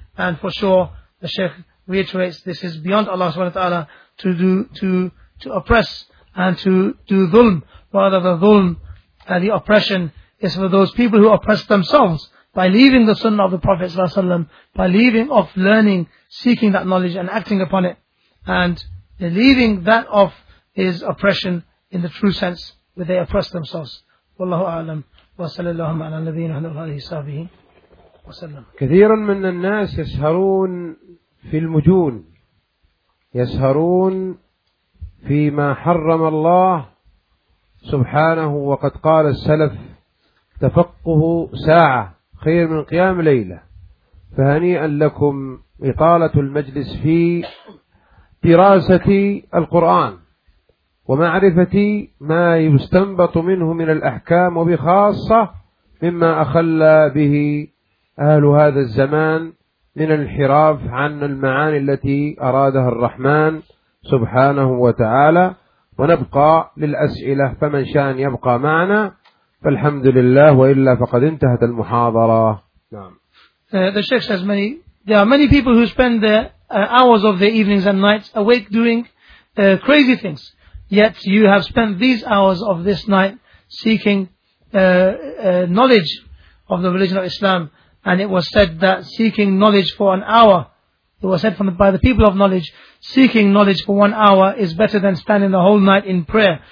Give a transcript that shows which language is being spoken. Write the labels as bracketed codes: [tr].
[en] And for sure, the Shaykh reiterates, this is beyond Allah subhanahu wa ta'ala to oppress and to do dhulm. Rather, the dhulm, the oppression, is for those people who oppress themselves. by leaving the sunnah of the Prophet ﷺ, by leaving off learning, seeking that knowledge and acting upon it, and leaving that off is oppression in the true sense, where they oppress themselves. [ar] Wallahu a'lam. Wassallallahu ala nabiyyina Muhammadin wa alihi wa sallam. كثير من الناس يسهرون في المجون، يسهرون فيما حرم الله سبحانه، وقد قال السلف: تفقه ساعة خير من قيام ليلة. فهنيئا لكم إطالة المجلس في دراسة القرآن ومعرفة ما يستنبط منه من الأحكام، وبخاصة مما أخل به أهل هذا الزمان من الانحراف عن المعاني التي أرادها الرحمن سبحانه وتعالى. ونبقى للأسئلة، فمن شاء يبقى معنا فالحمد لله، وإلا فقد انتهت المحاضرة. نعم. [en] The Sheikh says many, there are many people who spend the hours of their evenings and nights awake doing crazy things. Yet you have spent these hours of this night seeking knowledge of the religion of Islam. And it was said that seeking knowledge for an hour, it was said from by the people of knowledge, seeking knowledge for 1 hour is better than standing the whole night in prayer.